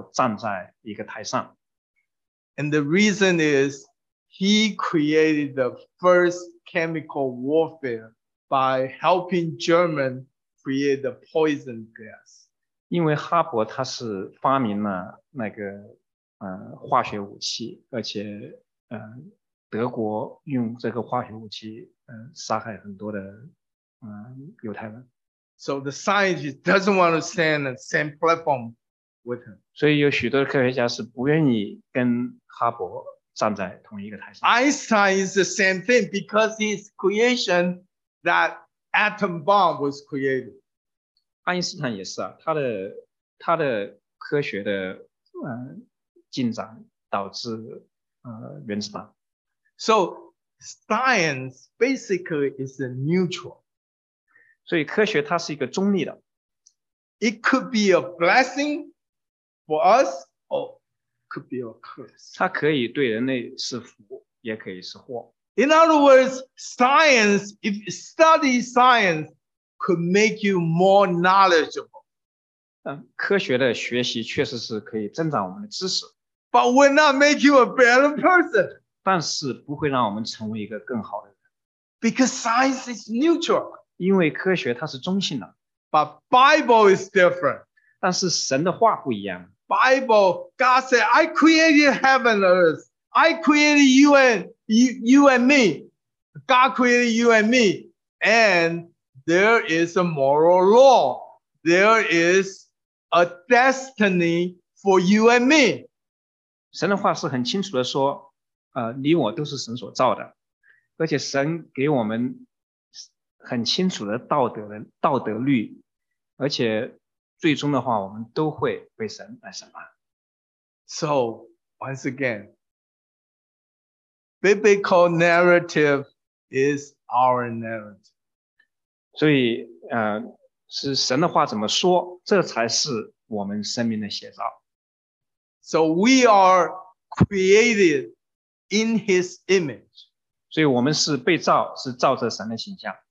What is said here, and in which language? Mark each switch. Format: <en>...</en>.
<zh>当哈伯去瑞士要领这个诺贝尔奖的时候，当时许多人不愿意跟哈伯站在一个台上。</zh> <en>And the reason is he created the first chemical warfare by helping Germany create the poison gas.</en> <zh>因为哈伯他是发明了那个化学武器，而且德国用这个化学武器杀害很多的犹太人。</zh> <en>So the scientist doesn't want to stay on the same platform with him.</en> <zh>所以有许多科学家是不愿意跟哈勃站在同一个台上。</zh> <en>Einstein is the same thing because his creation, that atom bomb was created.</en> <zh>爱因斯坦也是啊，他的科学的进展导致原子弹。</zh> <en>So science basically is a neutral.</en> <zh>所以科学它是一个中立的。</zh> <en>It could be a blessing for us, or could be a curse.</en> <zh>它可以对人类是福，也可以是祸。</zh> <en>In other words, science, if you study science, could make you more knowledgeable.</en> <zh>科学的学习确实是可以增长我们的知识。</zh> <en>But will not make you a better person.</en> <zh>但是不会让我们成为一个更好的人。</zh> <en>Because science is neutral.</en> <zh>因为科学它是中性的。</zh> <en>But Bible is different.</en> <zh>但是神的话不一样。</zh> <en>Bible, God said, I created heaven and earth. I created you and me. God created you and me. And there is a moral law. There is a destiny for you and me.</en> <zh>神的话是很清楚的说，你我都是神所造的，而且神给我们很清楚的道德律，而且最终的话，我们都会被神来审判。</zh> <en>So once again, biblical narrative is our narrative.</en> <zh>所以，是神的话怎么说，这才是我们生命的写照。</zh> <en>So we are created in His image.</en> <zh>所以我们是被造，是照着神的形象。</zh>